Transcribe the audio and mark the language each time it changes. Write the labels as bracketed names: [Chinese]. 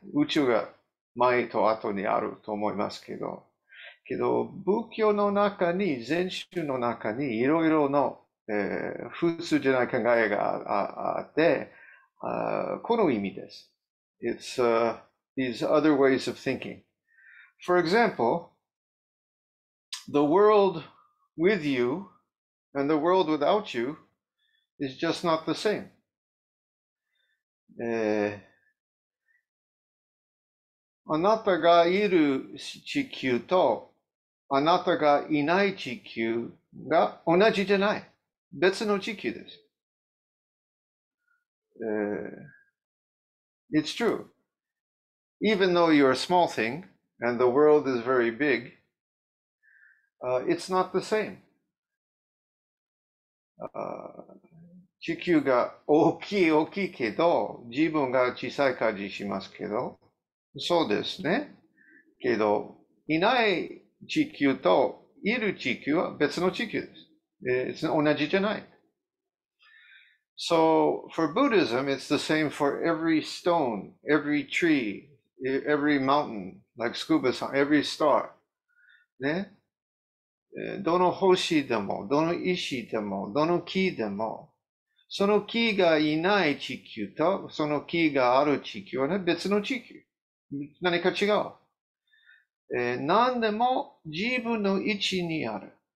[Japanese] Uchu ga 前と後にあると思いますけど、けど仏教の中に禅宗の中にいろいろの、普通じゃない考えがあって、この意味です。 [English] It's these other ways of thinking. For example, the world with you and the world without you is just not the same. [Japanese] あなたがいる地球とあなたがいない地球が同じじゃない。別の地球です。 [English] It's true. Even though you're a small thing and the world is very big, it's not the same. [Japanese] 地球が大きい大きいけど、自分が小さい感じしますけど、そうですね。けど、いない地球といる地球は別の地球です。同じじゃない。 [English] So, for Buddhism, it's the same for every stone, every tree, every mountain, like scuba, every star. [Japanese] ね。どの星でも、どの石でも、どの木でも、その木がいない地球と、その木がある地球は、ね、別の地球。何か違う。何でも自分の位置にある。